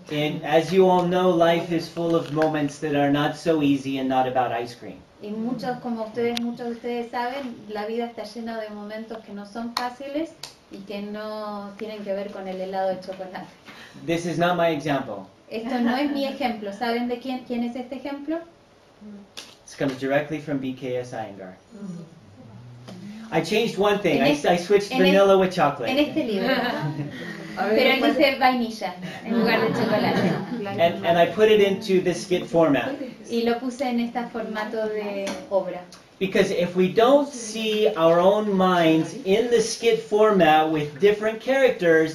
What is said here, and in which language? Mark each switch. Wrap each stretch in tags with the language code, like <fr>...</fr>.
<en>And as you all know, life is full of moments that are not so easy and not about ice cream.</en> <es>Y muchos de ustedes saben, la vida está llena de momentos que no son fáciles y que no tienen que ver con el helado de chocolate.</es> <en>This is not my example.</en> <es>Esto no es mi ejemplo. ¿Saben de quién es este ejemplo?</es> <en>This comes directly from BKS Iyengar. Mm-hmm. I changed one thing. I switched vanilla with chocolate.</en> <es>En este libro. Pero él dice vainilla en lugar de chocolate.</es> <en>And I put it into this skit format.</en> <es>Y lo puse en este formato de obra.</es> <en>Because if we don't see our own minds in the skit format with different characters,</en>